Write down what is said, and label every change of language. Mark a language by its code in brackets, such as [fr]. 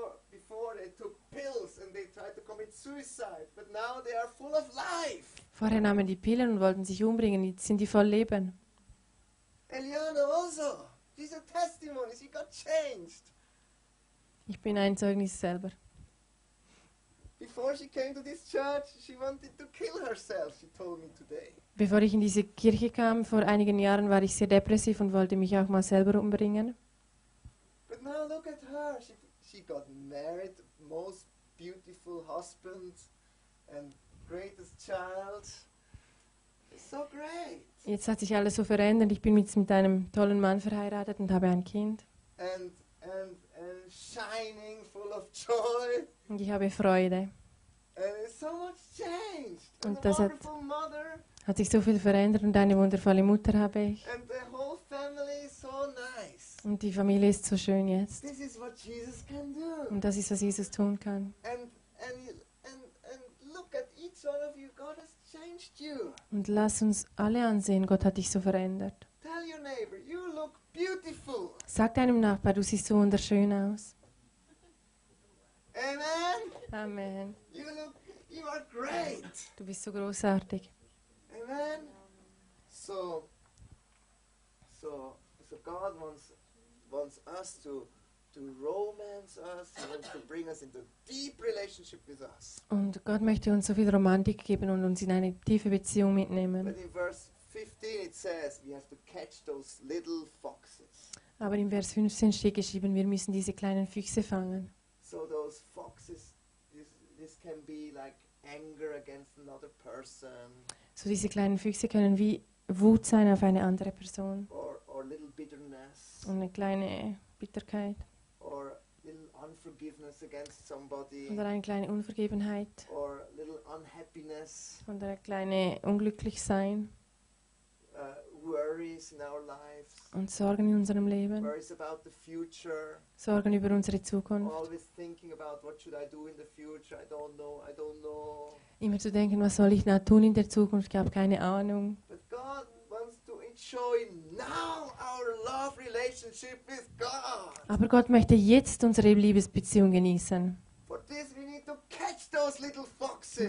[en] Before they took pills and they tried to commit suicide, but now they are full of life. [de] Vorher nahmen die Pillen und wollten sich umbringen, jetzt sind die voll Leben. [en] Eliana also. These are testimonies. You got changed. [de] Ich bin ein Zeugnis selber. [en] Be before she came to this church, she wanted to kill herself, she told me today. [de] Bevor ich in diese Kirche kam, vor einigen Jahren, war ich sehr depressiv und wollte mich auch mal selber umbringen. [en] But now look at her. She got married, most beautiful husband and greatest child. It's so great. [de] Jetzt hat sich alles so verändert. Ich bin jetzt mit einem tollen Mann verheiratet und habe ein Kind. [en] And shining full of joy. [de] Und ich habe Freude. [en] And so much changed. [de] Und das wonderful hat, mother. Hat sich so viel verändert und eine wundervolle Mutter habe ich. [en] And the whole family is so nice. [de] Und die Familie ist so schön jetzt. [en] This is what Jesus can do. [de] Und das ist, was Jesus tun kann. [en] And look at each one of you. God has changed you. [de] Und lass uns alle ansehen, Gott hat dich so verändert. [en] Tell your neighbor, you look beautiful. [de] Sag deinem Nachbar, du siehst so wunderschön aus. [en] Amen. [de] Amen. [en] You are great. [de] Du bist so großartig. [en] Amen. So God wants us to romance us. He wants to bring us into deep relationship with us. [de] Und Gott möchte uns so viel Romantik geben und uns in eine tiefe Beziehung mitnehmen. [en] But in verse 15 it says we have to catch those little foxes. [de] Aber in Vers 15 steht geschrieben, wir müssen diese kleinen Füchse fangen. [en] So those foxes, this can be like anger against another person. [de] So diese kleinen Füchse können wie Wut sein auf eine andere Person. [en] Or little bitterness. [de] Und eine kleine Bitterkeit. [en] Or little unforgiveness against somebody. [de] Oder eine kleine Unvergebenheit. [en] Or little unhappiness. [de] Oder eine kleine Unglücklichsein. [en] Worries in our lives. [de] Und Sorgen in unserem Leben. [en] Worries about the future. [de] Sorgen über unsere Zukunft. [en] Always thinking about what should I do in the future. I don't know. [de] Immer zu denken, was soll ich da tun in der Zukunft? Ich habe keine Ahnung. [en] But God wants to enjoy now our love relationship with God. [de] Aber Gott möchte jetzt unsere Liebesbeziehung genießen. [en] For this we need to catch those little foxes.